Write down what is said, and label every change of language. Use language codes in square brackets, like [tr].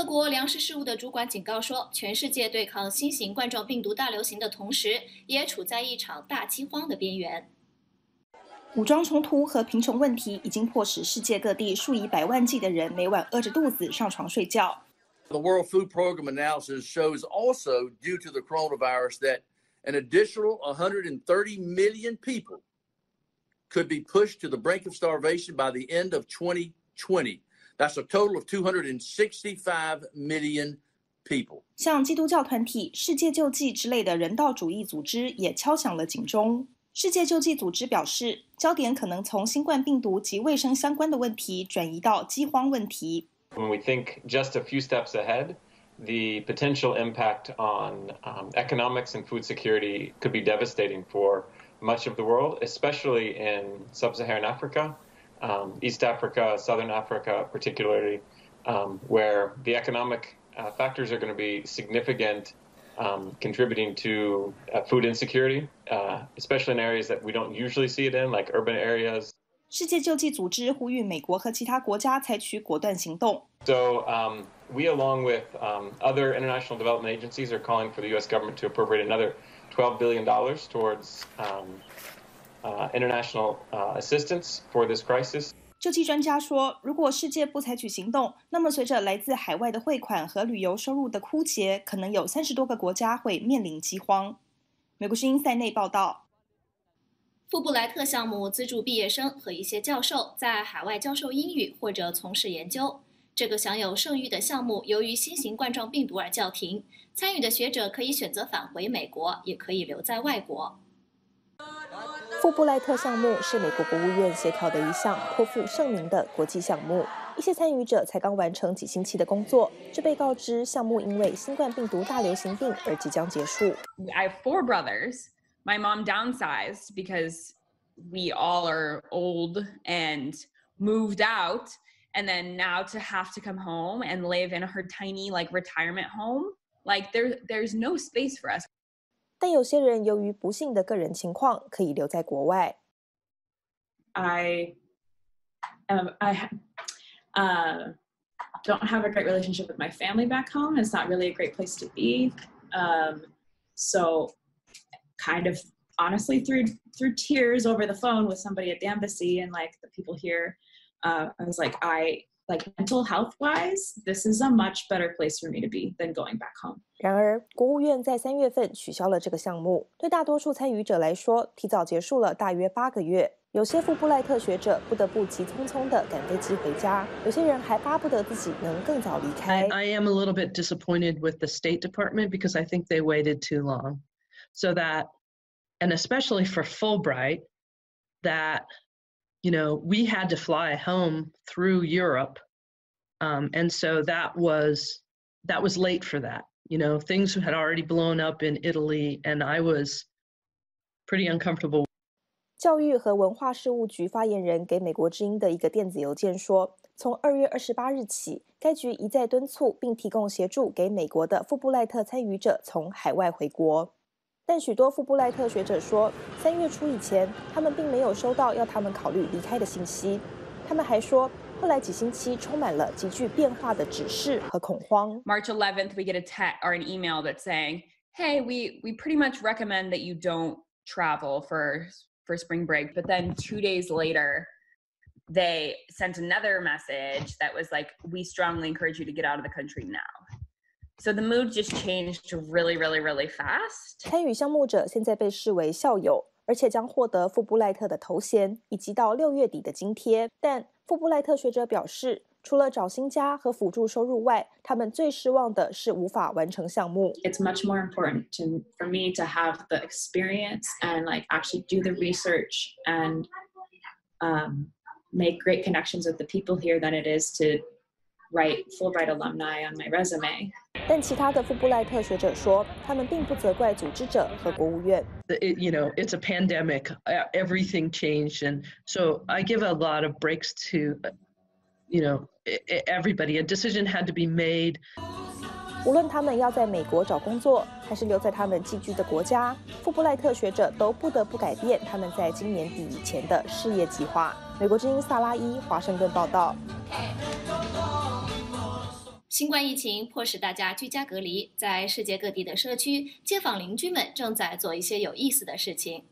[zh] 粮食事务的主管警告说，全世界对抗新型冠状病毒大流行的同时，也处在一场大饥荒的边缘。武装冲突和贫穷问题已经迫使世界各地数以百万计的人每晚饿着肚子上床睡觉。 [en] The World Food Program analysis shows also, due to the coronavirus, that an additional 130 million people could be pushed to the brink of starvation by the end of 2020. That's a total of 265 million people. [zh] 像基督教团体、世界救济之类的人道主义组织也敲响了警钟。世界救济组织表示，焦点可能从新冠病毒及卫生相关的问题转移到饥荒问题。 [en] When we think just a few steps ahead, the potential impact on economics and food security could be devastating for much of the world, especially in sub-Saharan Africa. East Africa, Southern Africa, particularly, where the economic factors are going to be significant, contributing to food insecurity, especially in areas that we don't usually see it in, like urban areas. [zh] 世界救济组织呼吁美国和其他国家采取果断行动。 [en] So, we, along with other international development agencies, are calling for the U.S. government to appropriate another $12 billion towards. International assistance for this crisis. [zh] 救济专家说，如果世界不采取行动，那么随着来自海外的汇款和旅游收入的枯竭，可能有30多个国家会面临饥荒。美国之音塞内报道。富布莱特项目资助毕业生和一些教授在海外教授英语或者从事研究。这个享有盛誉的项目由于新型冠状病毒而叫停，参与的学者可以选择返回美国，也可以留在外国。富布莱特项目是美国国务院协调的一项颇负盛名的国际项目，一些参与者才刚完成几星期的工作，就被告知项目因为新冠病毒大流行病而即将结束。 [en] I have four brothers. My mom downsized because we all are old and moved out, and then now to have to come home and live in her tiny like retirement home, like there's no space for us. [zh] 但有些人由于不幸的个人情况可以留在国外。 [en] I don't have a great relationship with my family back home. It's not really a great place to be. So kind of honestly through tears over the phone with somebody at the embassy and like the people here, I was like, like mental health wise, this is a much better place for me to be than going back home. [zh] 然而，国务院在三月份取消了这个项目，对大多数参与者来说，提早结束了大约八个月。有些富布赖特学者不得不急匆匆地赶飞机回家，有些人还巴不得自己能更早离开。 [en] I am a little bit disappointed with the State Department because I think they waited too long, so that, and especially for Fulbright, that, you know, we had to fly home through Europe, and so that was late for that. You know, things had already blown up in Italy, and I was pretty uncomfortable. [zh] 教育和文化事务局发言人给美国之音的一个电子邮件说，从二月二十八日起，该局一再敦促并提供协助给美国的富布赖特参与者从海外回国。但许多富布赖特学者说，三月初以前，他们并没有收到要他们考虑离开的信息。他们还说，后来几星期充满了急剧变化的指示和恐慌。 [en] March 11th, we get a text or an email that saying, "Hey, we pretty much recommend that you don't travel for spring break," but then 2 days later, they sent another message that was like, "We strongly encourage you to get out of the country now." So the mood just changed really, really, really fast. [zh] 参与项目者现在被视为校友，而且将获得富布赖特的头衔以及到六月底的津贴。但富布赖特学者表示，除了找新家和辅助收入外，他们最失望的是无法完成项目。 [en] It's much more important for me to have the experience and like actually do the research and make great connections with the people here than it is to write Fulbright alumni on my resume. [zh] 但其他的富布赖特学者说，他们并不责怪组织者和国务院。 [en] You know, it's a pandemic. Everything changed, and so I give a lot of breaks to. You know, everybody, a decision had to be made. [zh] 无论他们要在美国找工作，还是留在他们寄居的国家，富布赖特学者都不得不改变他们在今年底以前的事业计划。美国之音萨拉伊，华盛顿报道。新冠疫情迫使大家居家隔离，在世界各地的社区，街坊邻居们正在做一些有意思的事情。